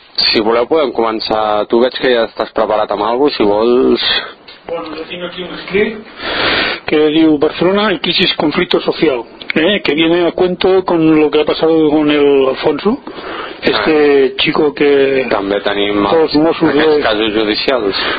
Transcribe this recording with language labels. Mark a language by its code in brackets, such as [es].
[ca] Si voleu podem començar. Tu veig que ja estàs preparat amb alguna cosa, si vols. [es] Bueno, yo tengo aquí un script que diu Barcelona en crisis, conflicto social, que viene a cuento con lo que ha pasado con el Alfonso, este chico que... [ca] També tenim els Mossos casos judicials.